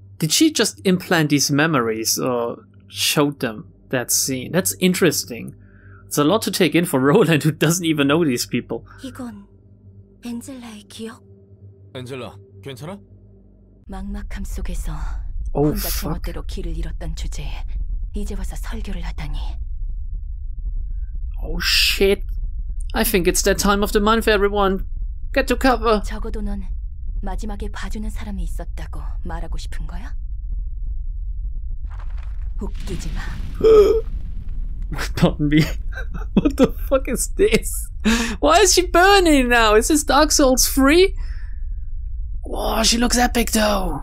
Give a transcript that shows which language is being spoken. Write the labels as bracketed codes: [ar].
[en] Did she just implant these memories or showed them? That scene. That's interesting. It's a lot to take in for Roland, who doesn't even know these people. [ko] 이건 엔젤라의 기억? 엔젤라, 괜찮아? 막막함 속에서 혼자 제멋대로 길을 잃었던 주제에 이제 와서 설교를 하다니. [en] Oh shit. I think it's that time of the month, everyone. Get to cover. [ko] 적어도 넌 마지막에 봐주는 사람이 있었다고 말하고 싶은 거야? 웃기지 마. [en] Not me. What the fuck is this? Why is she burning now? Is this Dark Souls 3? Wow, she looks epic though.